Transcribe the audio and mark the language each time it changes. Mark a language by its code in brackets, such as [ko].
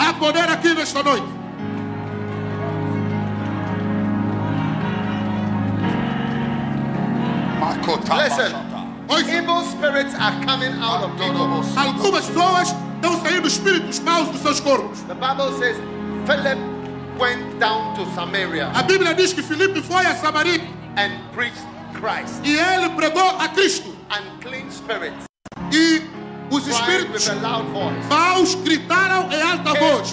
[pt] Há poder aqui nesta noite. [en] Listen. Evil spirits are coming out of people. [pt] Algumas pessoas estão saindo espíritos maus dos seus corpos. [en] The Bible says Philip went down to Samaria. [pt] A Bíblia diz que Filipe foi a Samaria [en] and preached Christ. [pt] E ele pregou a Cristo. [en] Unclean spirits. [pt] E os espíritos maus gritaram em alta voz.